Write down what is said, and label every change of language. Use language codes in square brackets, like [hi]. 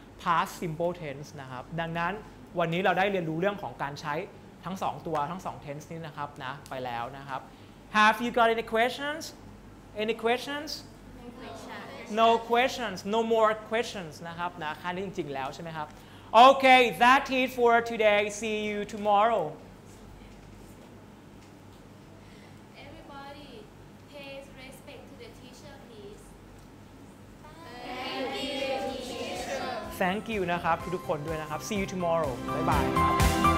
[th] past simple tense นะครับดังนั้นวันนี้เราได้เรียนรู้เรื่องของการใช้ทั้ง2ตัวทั้ง2 tense นี้นะครับนะไปแล้วนะครับ [en] Have you got any questions? Any questions? No questions. No questions. No more questions [th] นะครับนะคันนี้จริงๆแล้วใช่ไหมครับ [en] Okay, that's it for today. See you tomorrow. Everybody, pay respect to the teacher, please. Thank you, teacher. Thank you, [th] นะครับทุกคนด้วยนะครับ [en] See you tomorrow. Bye bye.